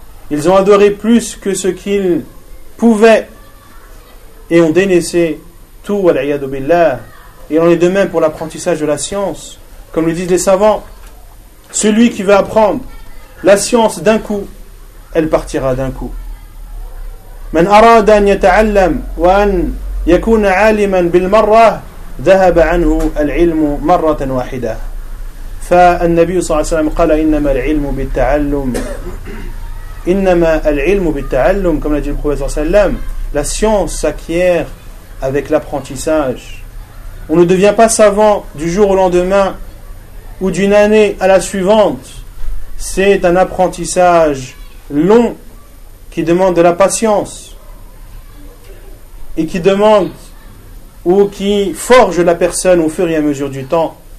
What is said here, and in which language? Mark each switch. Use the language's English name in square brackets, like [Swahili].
[French] Ils ont adoré plus que ce qu'ils pouvaient et ont délaissé tout, wal'iyadu billah. Et on est de même pour l'apprentissage de la science. Comme le disent les savants, celui qui veut apprendre la science d'un coup, elle partira d'un coup. [Arabic] من أراد أن يتعلم وأن يكون عالما بالمرة ذهب عنه العلم مرة واحدة. ف فالنبي صلى الله عليه وسلم قال إنما العلم بالتعلم إنما العلم بالتعلم كما قال النبي صلى الله عليه وسلم [French] La science s'acquiert avec l'apprentissage. On ne devient pas savant du jour au lendemain ou d'une année à la suivante. C'est un apprentissage long qui demande de la patience et qui demande ou qui forge la personne au fur et à mesure du temps.